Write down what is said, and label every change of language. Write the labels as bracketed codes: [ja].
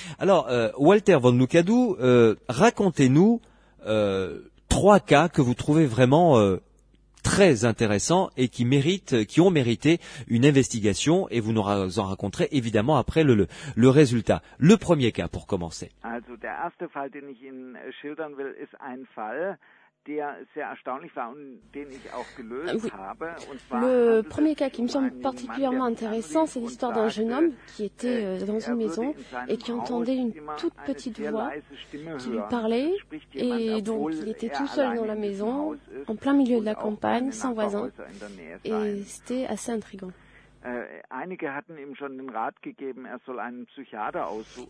[fr] Alors, Walter von Lukadou, racontez-nous trois cas que vous trouvez vraiment très intéressant et qui ont mérité une investigation, et vous nous en raconterez évidemment après le résultat. Le premier cas pour commencer. [de] Also der erste Fall, den ich Ihnen schildern will, ist ein Fall, der sehr erstaunlich war und den ich auch gelöst habe. [fr] Le premier cas qui me semble particulièrement intéressant, c'est l'histoire d'un jeune homme qui était dans une maison et qui entendait une toute petite voix qui lui parlait, et donc il était tout seul dans la maison, en plein milieu de la campagne, sans voisin, et c'était assez intriguant. [de] Einige hatten ihm schon den Rat gegeben, er soll einen Psychiater aussuchen.